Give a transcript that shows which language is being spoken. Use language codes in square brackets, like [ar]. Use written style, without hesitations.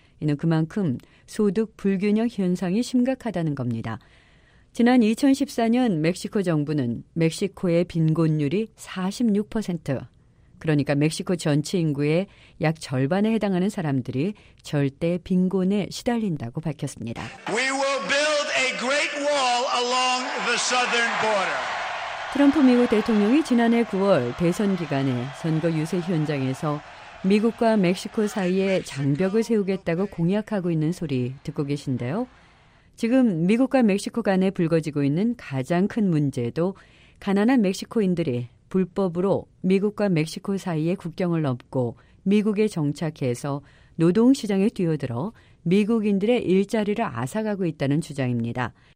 [ko] 이는 그만큼 소득 불균형 현상이 심각하다는 겁니다. 지난 2014년 멕시코 정부는 멕시코의 빈곤율이 46%, 그러니까 멕시코 전체 인구의 약 절반에 해당하는 사람들이 절대 빈곤에 시달린다고 밝혔습니다. [en] We will build a great wall along the southern border. [ko] 트럼프 미국 대통령이 지난해 9월 대선 기간에 선거 유세 현장에서 미국과 멕시코 사이에 장벽을 세우겠다고 공약하고 있는 소리 듣고 계신데요. 지금 미국과 멕시코 간에 불거지고 있는 가장 큰 문제도 가난한 멕시코인들이 불법으로 미국과 멕시코 사이의 국경을 넘고 미국에 정착해서 노동시장에 뛰어들어 미국인들의 일자리를 앗아가고 있다는 주장입니다.